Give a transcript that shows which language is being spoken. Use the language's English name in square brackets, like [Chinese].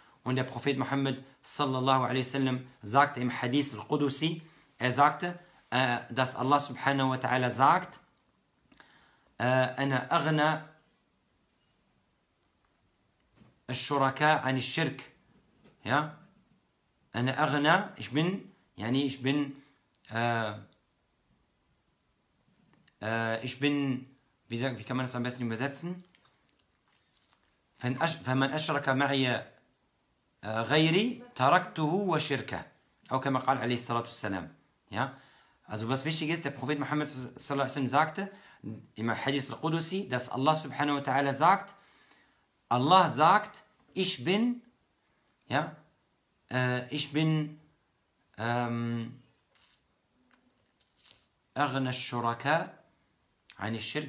[German] Und der Prophet Muhammad sallallahu alaihi wasallam sagte im Hadith al-Qudusi, er sagte, dass Allah subhanahu wa ta'ala sagt, wie kann man das am besten übersetzen? [Arabic] فَمَنْ أَشْرَكَ مَعِيَ غَيْرِي تَرَكْتُهُ وَشِرْكَ أو كما قال عليه الصلاة والسلام. [German] Ja? Also was wichtig ist, der Prophet Muhammad sallallahu alaihi wasallam sagte, im Hadith al-Qudusi, dass Allah subhanahu wa ta'ala sagt, Allah sagt, ich bin, ja, ich bin, [Arabic] أَغْنَ الشُّرَكَ عَنِ الشِّرْكِ.